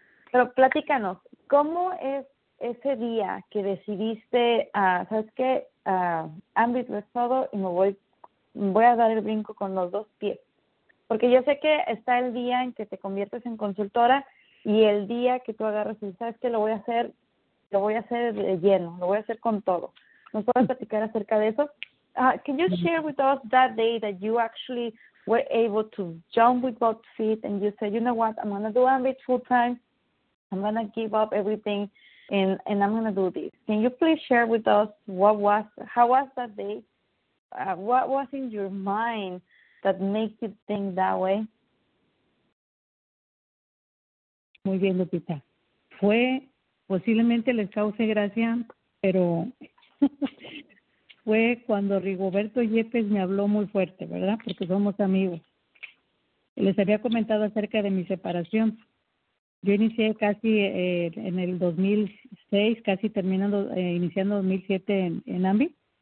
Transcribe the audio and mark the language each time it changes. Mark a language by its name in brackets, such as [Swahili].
[Spanish] Pero platícanos, ¿cómo es ese día que decidiste, sabes qué, Ambit lo es todo y me voy a dar el brinco con los dos pies? Porque yo sé que está el día en que te conviertes en consultora y el día que tú agarras y dices, ¿sabes qué? Lo voy a hacer de lleno, lo voy a hacer con todo. ¿Nos puedes platicar acerca de eso? [English] Can you share with us that day that you actually were able to jump with both feet and you said, you know what, I'm going to do Ambit full time. I'm going to give up everything, and I'm going to do this. Can you please share with us how was that day? What was in your mind that makes you think that way? [Spanish] Muy bien, Lupita. Fue, posiblemente les cause gracia, pero fue cuando Rigoberto Yepes me habló muy fuerte, ¿verdad? Porque somos amigos. Les había comentado acerca de mi separación. Yo inicié casi en el 2006, casi terminando, iniciando 2007 en Ambit.